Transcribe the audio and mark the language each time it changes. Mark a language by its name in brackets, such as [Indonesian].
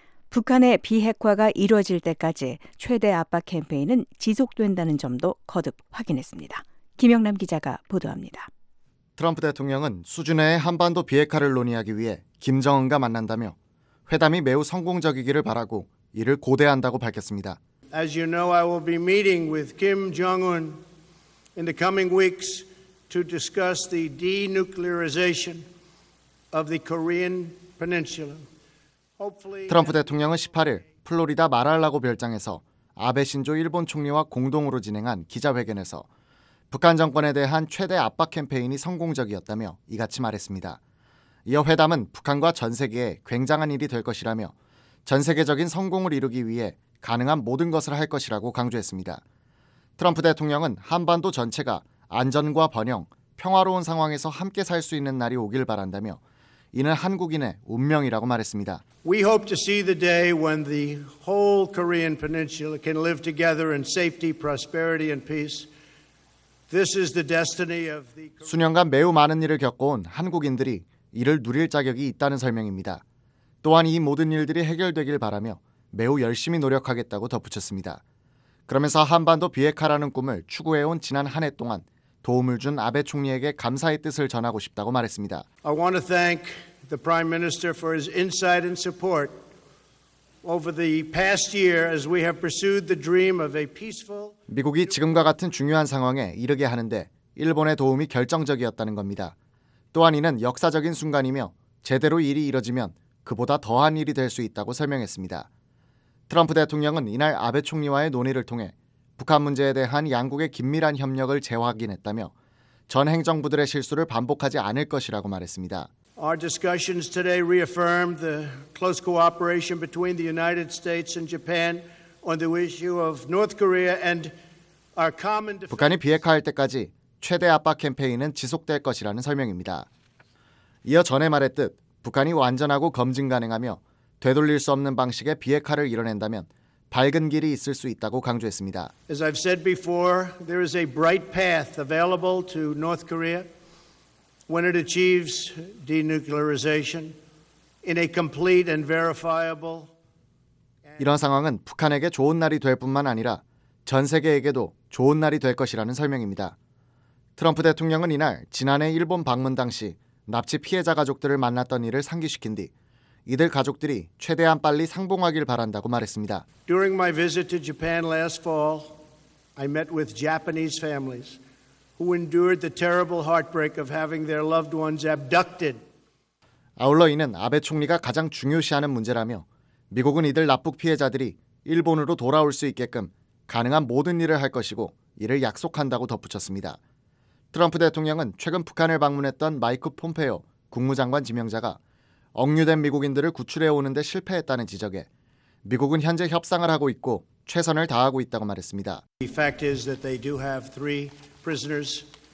[Korean] 북한의 비핵화가 이루어질 때까지 최대 압박 캠페인은 지속된다는 점도 거듭 확인했습니다. 김영남 기자가 보도합니다. 트럼프 대통령은 수준의 한반도 비핵화를 논의하기 위해 김정은과 만난다며 회담이 매우 성공적이기를 바라고 이를 고대한다고 밝혔습니다. [English] As you know, I will be meeting with Kim Jong-un in the coming weeks to discuss the denuclearization of the Korean Peninsula. [Korean] 트럼프 대통령은 18일 플로리다 마랄라고 별장에서 아베 신조 일본 총리와 공동으로 진행한 기자회견에서 북한 정권에 대한 최대 압박 캠페인이 성공적이었다며 이같이 말했습니다. 이어 회담은 북한과 전 세계에 굉장한 일이 될 것이라며 전 세계적인 성공을 이루기 위해 가능한 모든 것을 할 것이라고 강조했습니다. 트럼프 대통령은 한반도 전체가 안전과 번영, 평화로운 상황에서 함께 살 수 있는 날이 오길 바란다며 이는 한국인의 운명이라고 말했습니다. [English] We hope to see the day when the whole Korean Peninsula can live together in safety, prosperity, and peace. This is the destiny of the. [Korean] 수년간 매우 많은 일을 겪어온 한국인들이 이를 누릴 자격이 있다는 설명입니다. 또한 이 모든 일들이 해결되길 바라며 매우 열심히 노력하겠다고 덧붙였습니다. 그러면서 한반도 비핵화라는 꿈을 추구해온 지난 한 해 동안 도움을 준 아베 총리에게 감사의 뜻을 전하고 싶다고 말했습니다. [English] I want to thank the Prime Minister for his insight and support over the past year as we have pursued the dream of a peaceful. [Korean] 미국이 지금과 같은 중요한 상황에 이르게 하는데 일본의 도움이 결정적이었다는 겁니다. 또한 이는 역사적인 순간이며 제대로 일이 이뤄지면 그보다 더한 일이 될 수 있다고 설명했습니다. 트럼프 대통령은 이날 아베 총리와의 논의를 통해 북한 문제에 대한 양국의 긴밀한 협력을 재확인했다며 전 행정부들의 실수를 반복하지 않을 것이라고 말했습니다. [English] Our discussions today reaffirmed the close cooperation between the United States and Japan on the issue of North Korea and our common defense. [Korean] 북한이 비핵화할 때까지 최대 압박 캠페인은 지속될 것이라는 설명입니다. 이어 전에 말했듯 북한이 완전하고 검증 가능하며 되돌릴 수 없는 방식의 비핵화를 이뤄낸다면 밝은 길이 있을 수 있다고 강조했습니다. [English] As I've said before, there is a bright path available to North Korea when it achieves denuclearization in a complete and verifiable. [Korean] 이런 상황은 북한에게 좋은 날이 될 뿐만 아니라 전 세계에게도 좋은 날이 될 것이라는 설명입니다. 트럼프 대통령은 이날 지난해 일본 방문 당시 납치 피해자 가족들을 만났던 일을 상기시킨 뒤 이들 가족들이 최대한 빨리 상봉하길 바란다고 말했습니다. [English] During my visit to Japan last fall, I met with Japanese families who endured the terrible heartbreak of having their loved ones abducted. [Korean] 아울러 이는 아베 총리가 가장 중요시하는 문제라며 미국은 이들 납북 피해자들이 일본으로 돌아올 수 있게끔 가능한 모든 일을 할 것이고 이를 약속한다고 덧붙였습니다. 트럼프 대통령은 최근 북한을 방문했던 마이크 폼페이오 국무장관 지명자가 억류된 미국인들을 구출해 오는데 실패했다는 지적에 미국은 현재 협상을 하고 있고 최선을 다하고 있다고 말했습니다. [English] The fact is that they do have three prisoners.